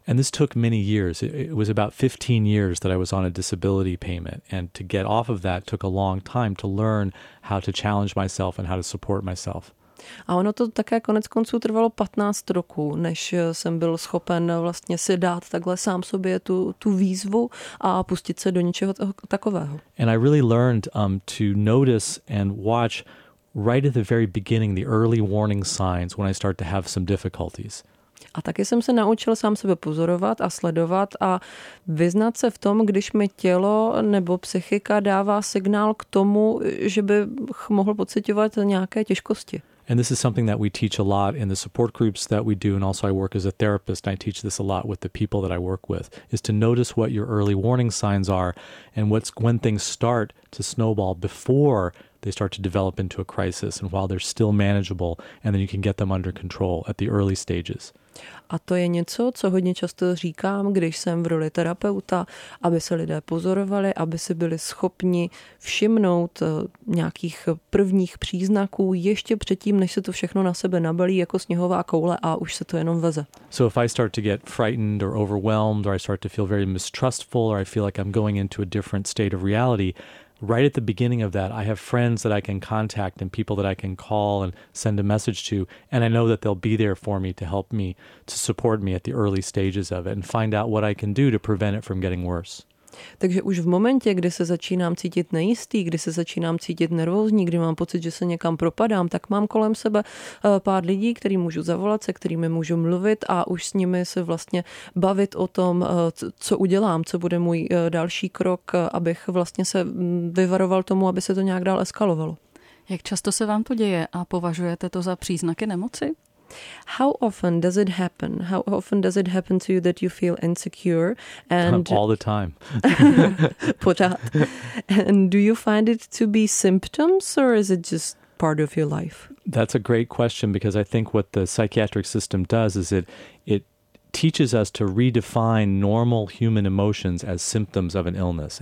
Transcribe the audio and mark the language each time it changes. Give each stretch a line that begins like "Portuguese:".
English: And this took many years. It was about 15 years that I was on a disability payment, and to get off of that took a long time to learn how to challenge myself and how to support myself.
Czech: A ono to také konec konců trvalo 15 roků, než jsem byl schopen vlastně si dát takhle sám sobě tu výzvu a pustit se do něčeho takového.
English: And I really learned to notice and watch right at the very beginning the early warning signs when I start to have some difficulties.
Czech: A taky jsem se naučil sám sebe pozorovat a sledovat a vyznat se v tom, když mi tělo nebo psychika dává signál k tomu, že bych mohl pociťovat nějaké těžkosti.
English: And this is something that we teach a lot in the support groups that we do, and also I work as a therapist, and I teach this a lot with the people that I work with, is to notice what your early warning signs are and what's when things start to snowball before they start to develop into a crisis and while they're still manageable, and then you can get them under control at the early stages.
Czech: A to je něco, co hodně často říkám, když jsem v roli terapeuta, aby se lidé pozorovali, aby si byli schopni všimnout nějakých prvních příznaků ještě předtím, než se to všechno na sebe nabalí jako sněhová koule a už se to jenom veze.
English: So if I start to get frightened or overwhelmed, or I start to feel very mistrustful, or I feel like I'm going into a different state of reality, right at the beginning of that, I have friends that I can contact and people that I can call and send a message to, and I know that they'll be there for me to help me, to support me at the early stages of it and find out what I can do to prevent it from getting worse.
Czech: Takže už v momentě, kdy se začínám cítit nejistý, kdy se začínám cítit nervózní, kdy mám pocit, že se někam propadám, tak mám kolem sebe pár lidí, kterým můžu zavolat, se kterými můžu mluvit a už s nimi se vlastně bavit o tom, co udělám, co bude můj další krok, abych vlastně se vyvaroval tomu, aby se to nějak dál eskalovalo. Jak často se vám to děje a považujete to za příznaky nemoci?
English: How often does it happen? How often does it happen to you that you feel insecure? And all the time.
Czech: Pořád.
English: And do you find it to be symptoms or is it just part of your life? That's a great question because I think what the psychiatric system does is it teaches us to redefine normal human emotions as symptoms of an illness.